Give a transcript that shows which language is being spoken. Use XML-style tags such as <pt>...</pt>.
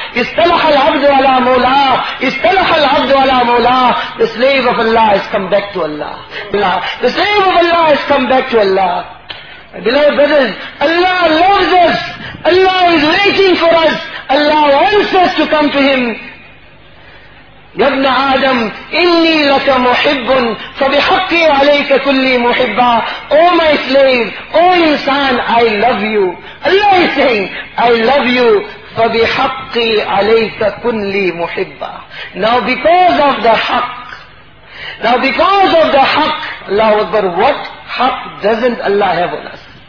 <ar>إِصْطَلَحَ الْعَبْدُ عَلَىٰ مُولَاهِ. إِصْطَلَحَ الْعَبْدُ عَلَىٰ مُولَاهِ.</ar> <en>The slave of Allah has come back to Allah. The slave of Allah has come back to Allah. Beloved brothers, Allah loves us. Allah is waiting for us. Allah wants us to come to Him.</en> <ar>يا ابن آدم إني لك محب فبحقي عليك كلي محبا.</ar> <en>Oh my slave, oh insan, I love you. Allah is saying, I love you</en> <ar>فبحقي عليك كلي محبا.</ar> <en>Now because of the haqq, now because of the haqq, Allah Akbar, what haqq doesn't Allah have on us?</en>